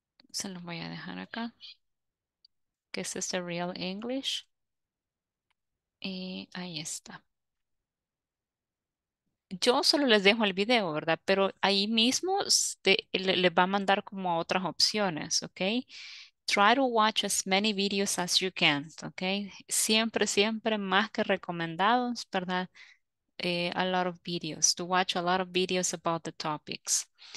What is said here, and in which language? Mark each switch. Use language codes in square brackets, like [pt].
[es] Se los voy a dejar acá. Que es este Real English. Y ahí está. Yo solo les dejo el video, ¿verdad? Pero ahí mismo les va a mandar como a otras opciones, ¿ok? [en] Try to watch as many videos as you can, ¿ok? [es] Siempre, siempre más que recomendados, ¿verdad? [en] A lot of videos, to watch a lot of videos about the topics.